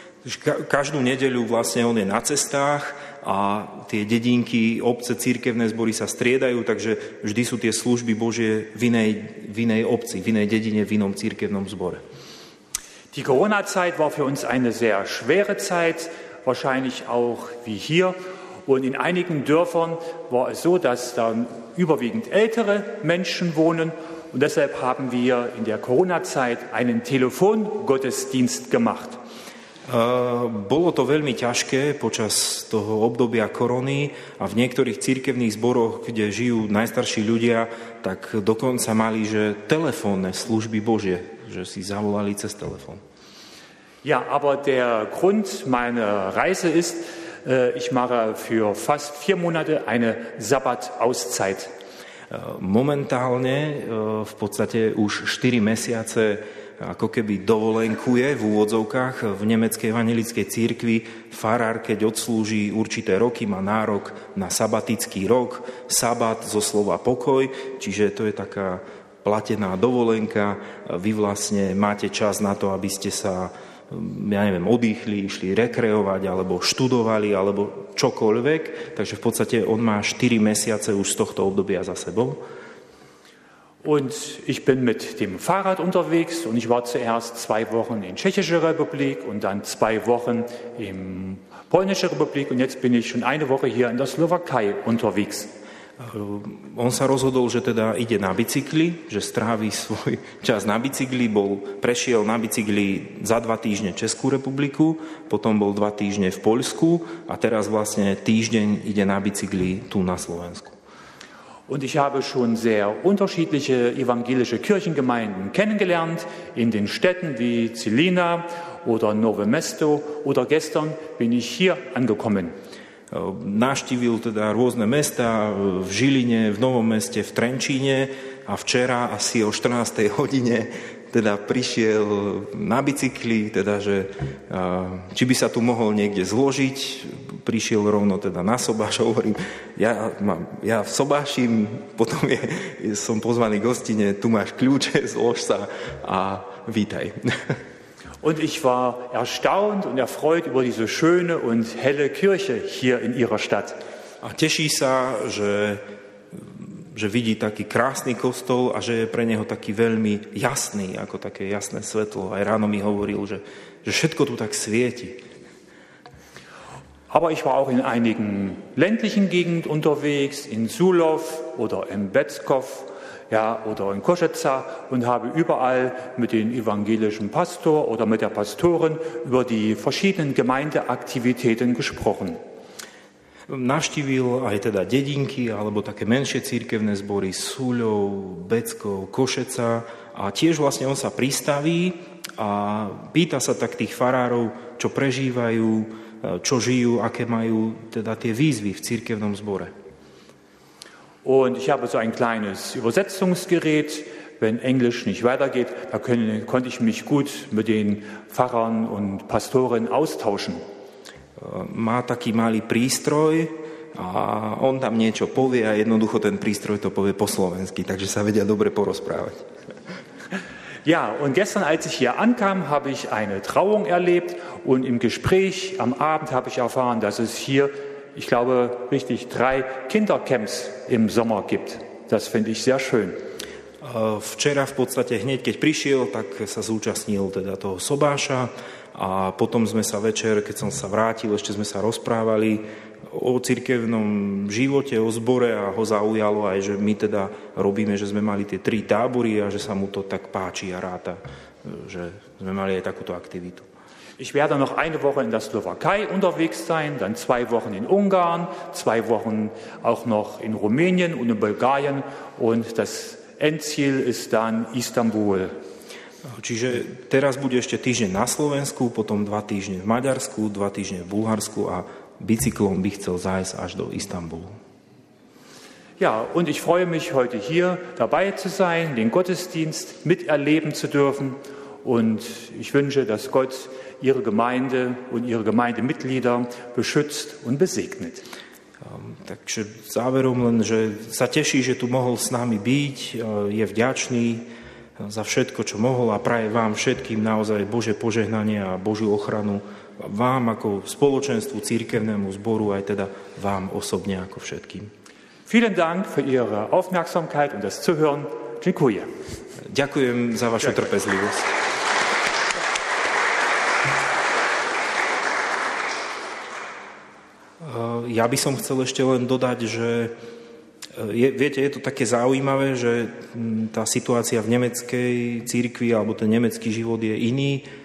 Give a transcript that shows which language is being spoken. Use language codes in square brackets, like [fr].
[sk] Každú nedeľu vlastne on je na cestách a tie dedinky, obce, cirkevné zbory sa striedajú, takže vždy sú tie služby Božie v inej obci, v inej dedine, v inom cirkevnom zbore. [de] Die Corona-Zeit war für uns eine sehr schwere Zeit, wahrscheinlich auch wie hier. Und in einigen Dörfern war es so, dass da überwiegend ältere Menschen wohnen Und deshalb haben wir in der Corona-Zeit einen Telefongottesdienst gemacht. [sk] Bolo to veľmi ťažké počas toho obdobia korony a v niektorých cirkevných zboroch, kde žijú najstarší ľudia, tak dokonca mali, že telefónne služby Božie, že si zavolali cez telefón. [de] Ja, aber der Grund meiner Reise ist, ich mache für fast 4 Monate eine Sabbat-Auszeit. [sk] Momentálne v podstate už 4 mesiace ako keby dovolenkuje v úvodzovkách v nemeckej evangelickej cirkvi. Farár, keď odslúži určité roky, má nárok na sabatický rok. Sabat zo slova pokoj, čiže to je taká platená dovolenka. Vy vlastne máte čas na to, aby ste sa, ja neviem, oddychli, išli rekreovať, alebo študovali, alebo čokoľvek. Takže v podstate on má 4 mesiace už z tohto obdobia za sebou. [de] Und ich bin mit dem Fahrrad unterwegs und ich war zuerst 2 Wochen in Tschechische Republik und dann 2 Wochen in Polnische Republik und jetzt bin ich schon eine Woche hier in der Slowakei unterwegs. [sk] On sa rozhodol, že teda ide na bicykli, že strávi svoj čas na bicykli, prešiel na bicykli za 2 týždne Českú republiku, potom bol 2 týždne v Poľsku a teraz vlastne týždeň ide na bicykli tu na Slovensku. [de] Und ich habe schon sehr unterschiedliche evangelische Kirchengemeinden kennengelernt, in den Städten wie Žilina oder Nové Mesto oder gestern bin ich hier angekommen. [sk] Navštívil teda rôzne mesta v Žiline, v Novom meste, v Trenčíne a včera asi o 14. hodine teda prišiel na bicykli, teda že či by sa tu mohol niekde zložiť, prišiel rovno teda na Sobáš, hovorím, ja v Sobášim, potom som pozvaný k hostine, tu máš kľúče, zlož sa a vítaj. [de] Und ich war erstaunt und erfreut über diese schöne und helle Kirche hier in ihrer Stadt. [sk] A teší sa, že vidí taký krásny kostol a že je pre neho taký veľmi jasný, ako také jasné svetlo. Aj ráno mi hovoril, že všetko tu tak svieti. [de] Aber ich war auch in einigen ländlichen Gegenden unterwegs, in Sulov oder in Betzkow, ja, oder in Košica und habe überall mit dem evangelischen Pastor oder mit der Pastorin über die verschiedenen Gemeindeaktivitäten gesprochen. [sk] Navštívil aj teda dedinky alebo také menšie cirkevné zbory Súľov, Beckov, Košeca a tiež vlastne on sa pristaví a pýta sa tak tých farárov, čo prežívajú, čo žijú, aké majú teda tie výzvy v cirkevnom zbore. [de] Und ich habe so ein kleines Übersetzungsgerät, wenn Englisch nicht weitergeht, da konnte ich mich gut mit den Pfarrern und Pastoren austauschen. [sk] Má taký malý prístroj a on tam niečo povie a jednoducho ten prístroj to povie po slovensky, takže sa vedia dobre porozprávať. [de] Ja, und gestern, als ich hier ankam, habe ich eine Trauung erlebt und im Gespräch am Abend habe ich erfahren, dass es hier, ich glaube, richtig 3 Kindercamps im Sommer gibt. Das finde ich sehr schön. [sk] Včera v podstate hneď, keď prišiel, tak sa zúčastnil teda toho sobáša a potom sme sa večer, keď som sa vrátil, ešte sme sa rozprávali o cirkevnom živote, o zbore a ho zaujalo aj, že my teda robíme, že sme mali tie 3 tábory a že sa mu to tak páči a ráta, že sme mali aj takúto aktivitu. [de] Ich werde noch eine Woche in der Slowakei unterwegs sein, dann 2 Wochen in Ungarn, 2 Wochen auch noch in Rumänien und in Bulgarien und das Endziel ist dann Istanbul. [sk] Čiže teraz bude ešte týždeň na Slovensku, potom 2 týždne v Maďarsku, 2 týždne v Bulharsku a bicyklom by chcel zájsť až do Istanbulu. [de] Ja, und ich freue mich heute hier dabei zu sein, den Gottesdienst miterleben zu dürfen und ich wünsche, dass Gott ihre Gemeinde und ihre Gemeindemitglieder beschützt und besegnet. [sk] Takže záverom len, že sa teší, že tu mohol s nami byť, je vďačný za všetko, čo mohol a praje vám všetkým naozaj Božie požehnanie a Božiu ochranu vám ako spoločenstvu, cirkevnému zboru aj teda vám osobne ako všetkým. [de] Vielen Dank für Ihre Aufmerksamkeit und das Zuhören. [sk] Ďakujem. Ďakujem za vašu trpezlivosť. Ja by som chcel ešte len dodať, že Viete, je to také zaujímavé, že tá situácia v nemeckej cirkvi alebo ten nemecký život je iný.